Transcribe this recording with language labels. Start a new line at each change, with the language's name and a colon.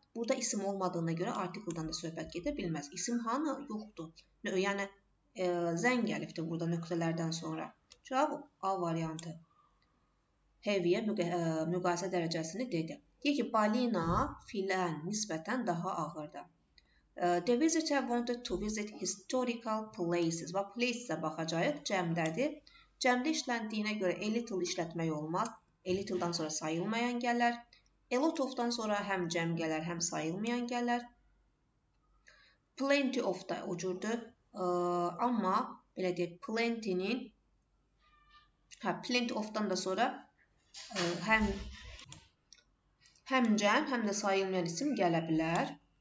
Azerbaijani: Burada isim olmadığına görə artikldan da söhbət gedə bilməz. İsim hanı yoxdur, yəni zən gəlibdir burada nöqtələrdən sonra. Cavab A variantı. Heavy-yə müqayisə dərəcəsini dedi. Deyir ki, balina filən nisbətən daha ağırdır.
English: The visitor wanted to visit historical places.
Azerbaijani: Bax, places-ə baxacaq, cəmdədir. Cəmdə işləndiyinə görə a little işlətmək olmaz. A little-dan sonra sayılmayan gələr. A lot of-dan sonra həm cəm gələr, həm sayılmayan gələr. Plenty of da o cürdür. Amma belə deyək, plenty-nin plenty of-dan da sonra həm cəm, həm də sayılmayan isim gələ bilər.